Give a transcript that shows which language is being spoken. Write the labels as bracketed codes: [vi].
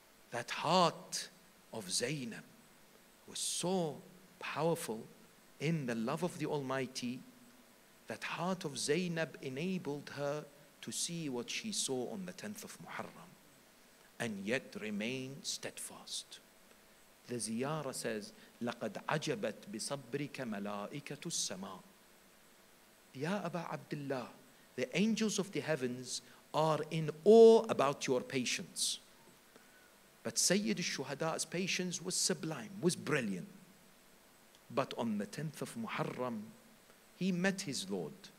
[en] That heart of Zainab was so powerful in the love of the Almighty, that heart of Zainab enabled her to see what she saw on the 10th of Muharram and yet remain steadfast. The Ziyara says, [ar] لَقَدْ عَجَبَتْ بِصَبْرِكَ مَلَائِكَةُ السَّمَاءِ. [en] Ya Aba Abdullah, the angels of the heavens are in awe about your patience. But Sayyid al-Shuhada's patience was sublime, was brilliant. But on the 10th of Muharram, he met his Lord.